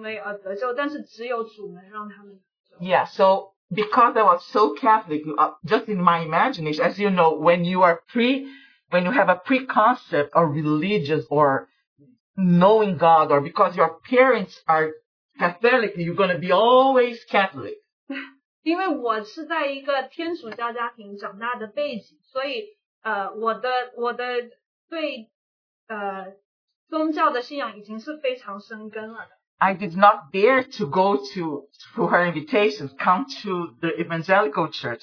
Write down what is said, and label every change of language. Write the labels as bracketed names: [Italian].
[Chinese] 神给我们的救恩，然后世界上面有很多罪人，他们想以自己的行为而得救，但是只有主能让他们得救。Yeah, [English] so because I was so Catholic, just in my imagination, as you know, when you have a preconcept or religious or knowing God, or because your parents are Catholic, you're going to be always Catholic. [Chinese] 因为我是在一个天主教家庭长大的背景，所以。我的宗教的信仰已经是非常生根了的。I [English] did not dare to go to her invitations, come to the evangelical church.